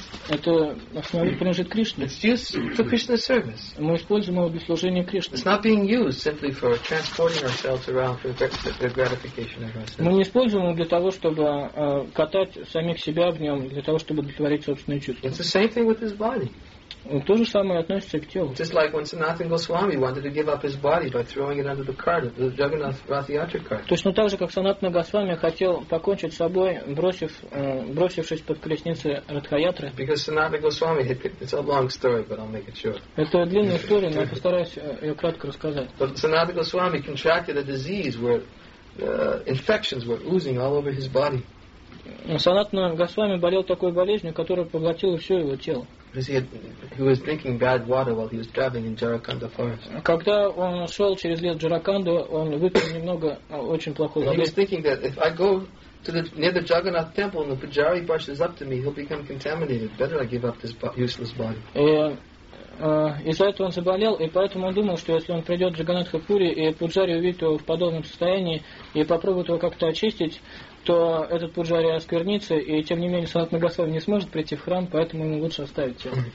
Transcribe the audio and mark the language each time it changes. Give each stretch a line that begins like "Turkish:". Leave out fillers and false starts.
Russian: Это автомобиль принадлежит Кришне.
English: It's used for Krishna's service.
Russian: Мы используем его для служения Кришне.
English: It's not being used simply for transporting ourselves around for the gratification of ourselves.
Russian: Мы не используем его для того, чтобы катать самих себя в нем, для того, чтобы удовлетворить собственные чувства.
English: It's the same thing with his body.
Russian: То же самое относится к телу.
English: Just like when Sanatan Goswami wanted to give up his body by throwing it under the cart, the Jagannath Rath Yatra cart.
Russian: То есть, ну так же, как Санатана Госвами хотел покончить с собой, бросившись под колесницы Радхаятры.
English: Because Sanatana Goswami, it's a long story, but I'll make it short.
Russian: Это длинная история, но я постараюсь ее кратко рассказать.
English: But Sanatana Goswami contracted a disease where infections were oozing all over his body.
Russian: Санатана Госвами болел такой болезнью, которая поглотила все его тело.
English: He was drinking bad water while he was driving in Jarakanda forest.
Russian: Когда он шел через лес Джараканду, он выпил немного очень плохого.
English: He was thinking that if I go to the near the Jagannath temple and the pujari brushes up to me, he'll become contaminated. Better I give up this useless body.
Russian: Из-за этого он заболел, и поэтому он думал, что если он придет в Джаганатхапури и пуджари увидит его в подобном состоянии и попробует его как-то очистить, то этот пуджари осквернится, и тем не менее Санатана Госвами не сможет прийти в храм, поэтому ему лучше оставить тело.